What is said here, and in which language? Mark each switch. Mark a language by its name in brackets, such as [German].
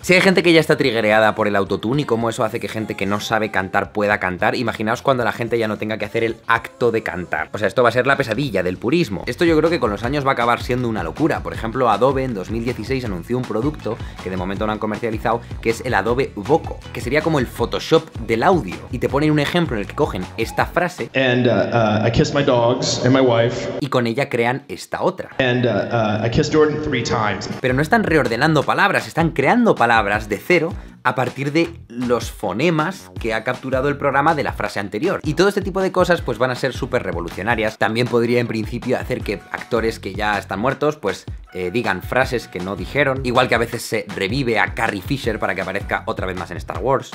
[Spanish] Si hay gente que ya está triggereada por el autotune y cómo eso hace que gente que no sabe cantar pueda cantar, imaginaos cuando la gente ya no tenga que hacer el acto de cantar. O sea, esto va a ser la pesadilla del purismo. Esto yo creo que con los años va a acabar siendo una locura. Por ejemplo, Adobe en 2016 anunció un producto, que de momento no han comercializado, que es el Adobe Voco, que sería como el Photoshop de el audio, y te ponen un ejemplo en el que cogen esta frase [English] and, I kiss my dogs and my wife. [Spanish] Y con ella crean esta otra [English] and, I kiss Jordan three times. [Spanish] Pero no están reordenando palabras, están creando palabras de cero a partir de los fonemas que ha capturado el programa de la frase anterior. Y todo este tipo de cosas pues van a ser súper revolucionarias. También podría en principio hacer que actores que ya están muertos pues digan frases que no dijeron, igual que a veces se revive a Carrie Fisher para que aparezca otra vez más en Star Wars.